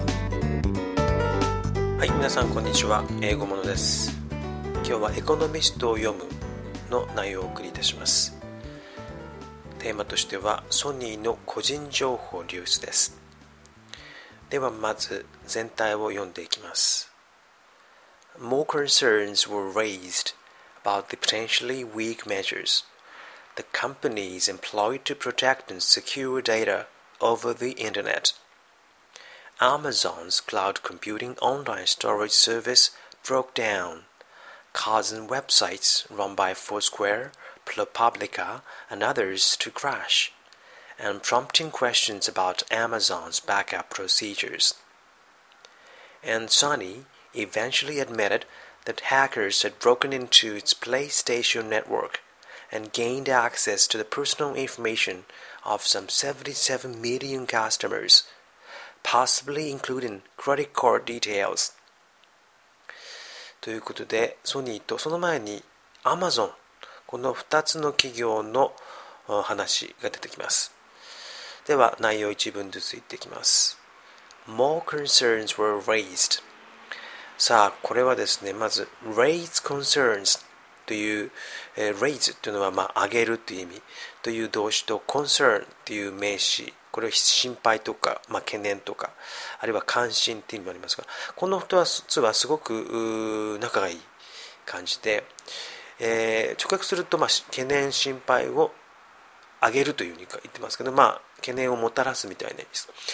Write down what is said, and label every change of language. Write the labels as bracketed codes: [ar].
[ja] 皆さんこんにちは、英語ものです。今日はエコノミストを読むの内容をお送りいたします。テーマとしてはソニーの個人情報流出です。ではまず全体を読んでいきます。 [en] More concerns were raised about the potentially weak measures the companies employed to protect and secure data over the internetAmazon's cloud computing online storage service broke down, causing websites run by Foursquare, ProPublica, and others to crash, and prompting questions about Amazon's backup procedures. And Sony eventually admitted that hackers had broken into its PlayStation network and gained access to the personal information of some 77 million customers,possibly including credit card details. [ja] ということで、ソニーとその前にアマゾン、この2つの企業の話が出てきます。では内容一文ずついっていきます。 [en] More concerns were raised. [ja] さあ、これはですね、まず raise concerns という、raise というのは、まあ、上げるという意味という動詞と concern という名詞、これは心配とか、まあ、懸念とかあるいは関心という意味もありますが、この2つはすごく仲がいい感じで、直訳すると、まあ、懸念心配を上げるというふうに言ってますけど、まあ、懸念をもたらすみたいな意味です。